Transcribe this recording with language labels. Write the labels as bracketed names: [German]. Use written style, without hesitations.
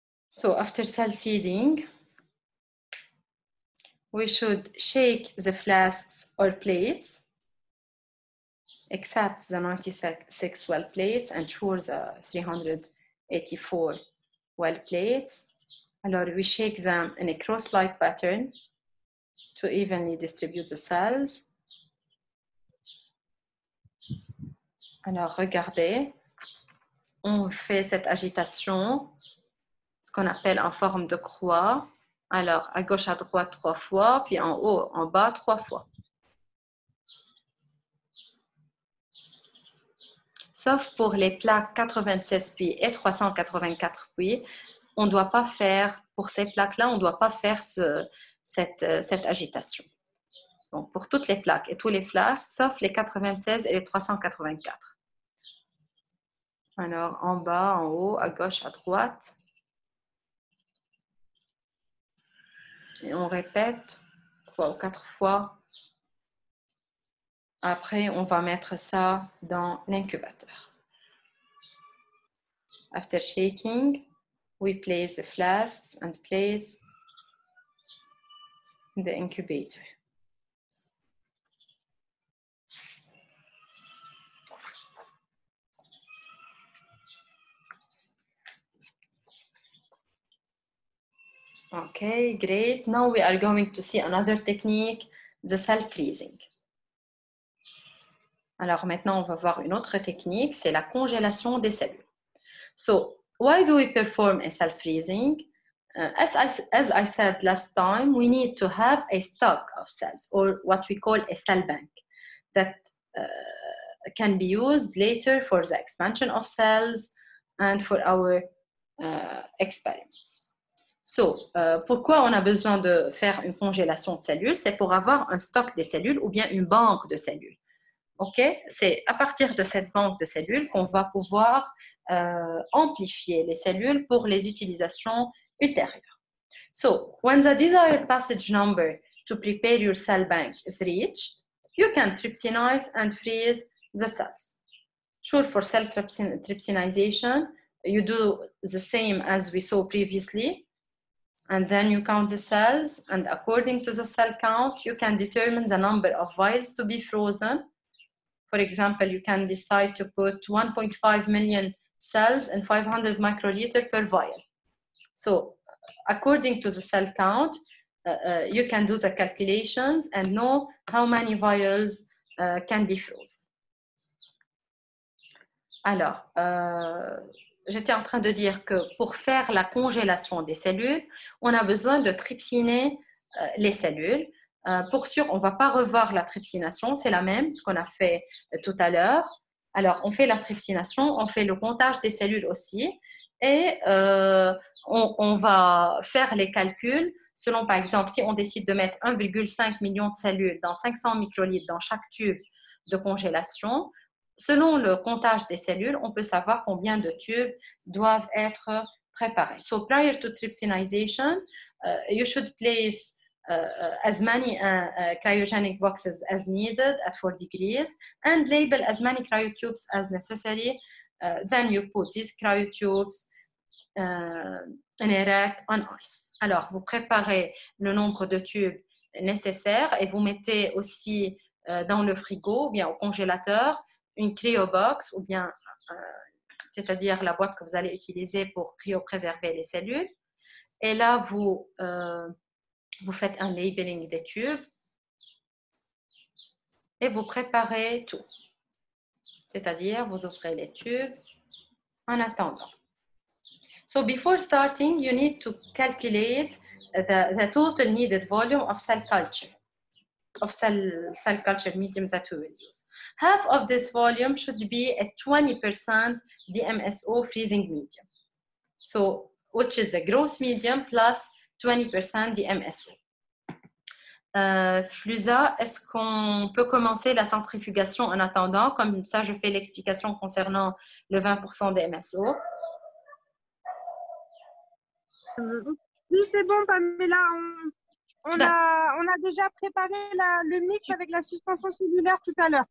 [English] So after cell seeding, we should shake the flasks or plates, except the 96 well plates, and sure the 384 well plates. And we shake them in a cross-like pattern to evenly distribute the cells. [French] Alors, regardez, on fait cette agitation, ce qu'on appelle en forme de croix. Alors, à gauche, à droite, trois fois, puis en haut, en bas, trois fois. Sauf pour les plaques 96 puits et 384 puits, on ne doit pas faire, pour ces plaques-là, on ne doit pas faire cette agitation. Donc, pour toutes les plaques et tous les flasques, sauf les 96 et les 384. Alors, en bas, en haut, à gauche, à droite. Et on répète trois ou quatre fois. Après, on va mettre ça dans l'incubateur. [English] After shaking, we place the flasks and plates in the incubator. Okay, great. Now we are going to see another technique, the cell freezing. [French] Alors maintenant, on va voir une autre technique, c'est la congélation des cellules. [English] So, why do we perform a cell freezing? As I said last time, we need to have a stock of cells, or what we call a cell bank, that can be used later for the expansion of cells and for our experiments. So, [French] pourquoi on a besoin de faire une congélation de cellules? C'est pour avoir un stock des cellules ou bien une banque de cellules. OK, c'est à partir de cette banque de cellules qu'on va pouvoir amplifier les cellules pour les utilisations ultérieures. [English] So, when the desired passage number to prepare your cell bank is reached, you can trypsinize and freeze the cells. Sure, for cell trypsinization, you do the same as we saw previously, and then you count the cells, and according to the cell count, you can determine the number of vials to be frozen. For example, you can decide to put 1.5 million cells in 500 microliters per vial. So, according to the cell count, you can do the calculations and know how many vials can be frozen. [French] Alors, j'étais en train de dire que pour faire la congélation des cellules, on a besoin de trypsiner les cellules. Pour sûr, on ne va pas revoir la trypsination, c'est la même, ce qu'on a fait tout à l'heure. Alors, on fait la trypsination, on fait le comptage des cellules aussi, et on va faire les calculs selon, par exemple, si on décide de mettre 1,5 million de cellules dans 500 microlitres dans chaque tube de congélation, selon le comptage des cellules, on peut savoir combien de tubes doivent être préparés. [English] So, prior to trypsinization, you should place as many cryogenic boxes as needed at 4 degrees and label as many cryotubes as necessary. Then you put these cryotubes in a rack on ice. [French] Alors, vous préparez le nombre de tubes nécessaires et vous mettez aussi dans le frigo ou bien au congélateur une cryobox ou bien, c'est-à-dire la boîte que vous allez utiliser pour cryopréserver les cellules. Et là, vous faites un labeling des tubes et vous préparez tout. C'est-à-dire, vous ouvrez les tubes en attendant. [English] So, before starting, you need to calculate the total needed volume of cell culture, of cell culture medium that we will use. Half of this volume should be a 20% DMSO freezing medium. So, which is the gross medium plus 20% DMSO. [French] Flusa, est-ce qu'on peut commencer la centrifugation en attendant? Comme ça, je fais l'explication concernant le 20% des MSO. Oui, c'est bon, Pamela. On a déjà préparé le mix avec la suspension cellulaire tout à l'heure.